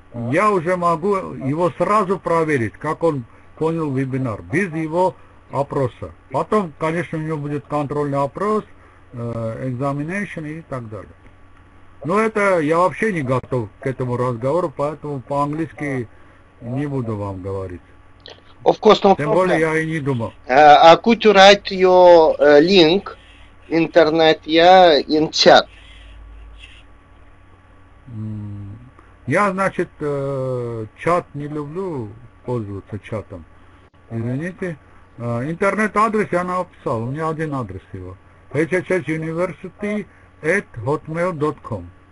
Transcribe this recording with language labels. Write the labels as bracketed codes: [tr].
[ru] Я уже могу его сразу проверить, как он понял вебинар, без его опроса. Потом, конечно, у него будет контрольный опрос, examination и так далее. Но это я вообще не готов к этому разговору, поэтому по-английски не буду вам говорить. [en] Of course, no problem. [ru] Тем более я и не думал. [en] Could you write your link internet yeah, in chat? [ru] Я, значит, чат не люблю пользоваться чатом. Извините. Интернет-адрес я написал. У меня один адрес его. [en] hhhuniversity@hotmail.com.